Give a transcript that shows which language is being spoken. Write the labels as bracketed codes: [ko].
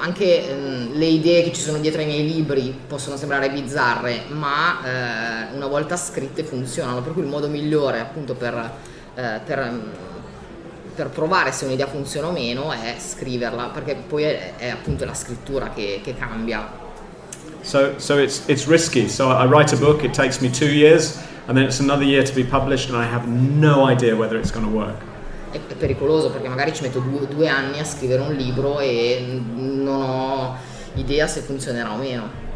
[it] Anche le idee che ci sono dietro ai miei libri possono sembrare bizzarre, ma una volta scritte funzionano. Per cui il modo migliore, appunto, per provare se un'idea funziona o meno è scriverla, perché poi è appunto la scrittura che cambia. [en] So it's risky. So I write a book, it takes me 2 years, and then it's another year to be published, and I have no idea whether it's going to work. [it] È pericoloso, perché magari ci metto due anni a scrivere un libro e non ho idea se funzionerà o meno.